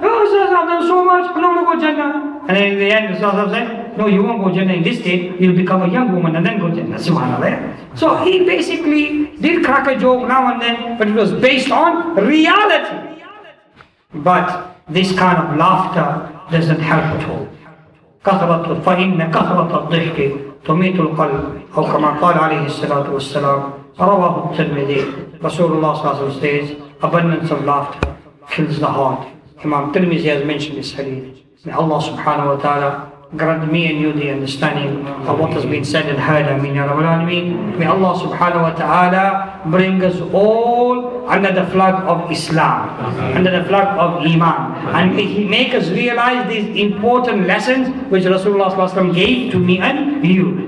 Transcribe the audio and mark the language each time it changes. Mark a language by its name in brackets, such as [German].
[English] Oh, says, I've done so much, I don't want to go to Jannah. And then in the end, Rasulullah sallallahu alaihi wasallam said, no, you won't go to Jannah in this state, you'll become a young woman and then go to Jannah, subhanAllah. So he basically did crack a joke now and then, but it was based on reality. But this kind of laughter doesn't help at all. [Arabic] كَثْرَةُ فَإِنَّ كَثْرَةَ الضِّحْكِ تُمِيتُ الْقَلْبِ أو كما قال عليه الصلاة والسلام رواه الترمذي. رسول الله صلى الله عليه وسلم [English] says abundance of laughter kills the heart. Imam Tirmizi has mentioned this hadith. May Allah subhanahu wa ta'ala grant me and you the understanding of what has been said and heard. Ameen ya Rabbal Alameen. May Allah subhanahu wa ta'ala bring us all under the flag of Islam, under the flag of Iman, and make us realize these important lessons which Rasulullah gave to me and you.